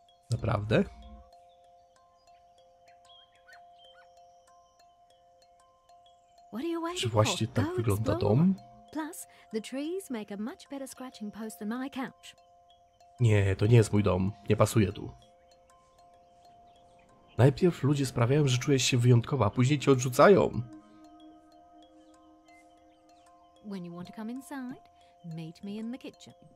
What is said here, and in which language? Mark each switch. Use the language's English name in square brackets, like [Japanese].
[Polish] Naprawdę? Czy właśnie tak wygląda dom? [English] Plus, the trees make a much better scratching post than my couch. [Polish] Nie, to nie jest mój dom. Nie pasuje tu. Najpierw ludzie sprawiają, że czujesz się wyjątkowa, a później cię odrzucają. [English] When you want to come inside, meet me in the kitchen.